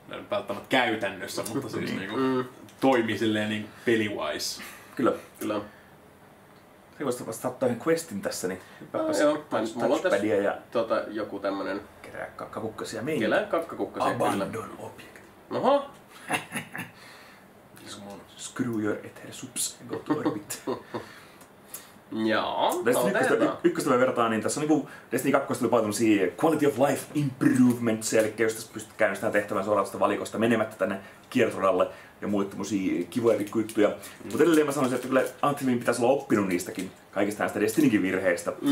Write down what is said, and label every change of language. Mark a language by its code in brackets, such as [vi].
[fi] Välttämättä käytännössä, mutta siis niinku, toimii silleen niin peli-wise. Kyllä. Se voisi vastata toihin questin tässä, niin hyppääpäs touchpadia ja... Tota, joku tämmönen... Kerää kakkakukkasia meihin. Kerää kakkakukkasia. [en] Abandon object. Noho! Screw your ether subs and go to orbit. [fi] Joo, tästä ykköstä me vertaan, niin tässä on niin Destiny 2 oli paljon siihen quality of life improvements, eli jos tässä pystyt käynnistämään sitä tehtävän suoraan tästä valikosta menemättä tänne kiertoradalle ja muita kivoja pikkujuttuja. Mutta edelleen mä sanoisin, että kyllä Anthemin pitäisi olla oppinut niistäkin kaikista näistä Destinykin virheistä.